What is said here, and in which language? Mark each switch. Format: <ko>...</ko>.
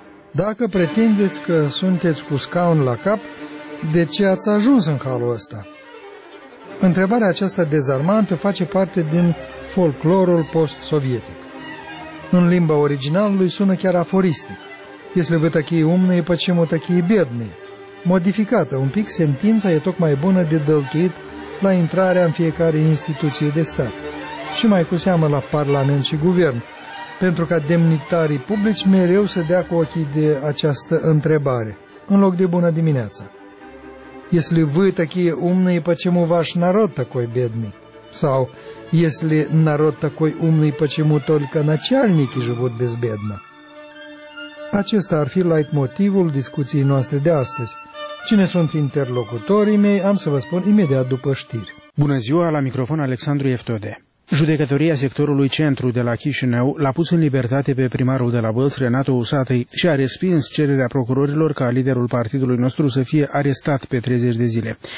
<ro>Dacă pretindeți că sunteți cu scaun la cap, de ce ați ajuns în halul ăsta? Întrebarea aceasta dezarmantă face parte din folclorul post-sovietic. În limba originală lui sună chiar aforistic.</ro> <ru>Если вы такие умные, почему такие бедные?</ru> <ro>Modificată un pic, sentința e tocmai bună de dăltuit la intrarea în fiecare instituție de stat. Și mai cu seamă la parlament și guvern, pentru ca demnitarii publici mereu să dea cu ochii de această întrebare, în loc de bună dimineața.</ro> <ru>Если вы такие умные, почему ваш народ такой бедный?</ru> <ro>Sau,</ro> <ru>если народ такой умный, почему только начальники живут безбедно?</ru> <ro>Acesta ar fi leitmotivul discuției noastre de astăzi. Cine sunt interlocutorii mei, am să vă spun imediat după știri. Bună ziua, la microfon Alexandru Eftode. Judecătoria sectorului centru de la Chișinău l-a pus în libertate pe primarul de la Bălți, Renato Usatăi, și a respins cererea procurorilor ca liderul partidului nostru să fie arestat pe 30 de zile.</ro>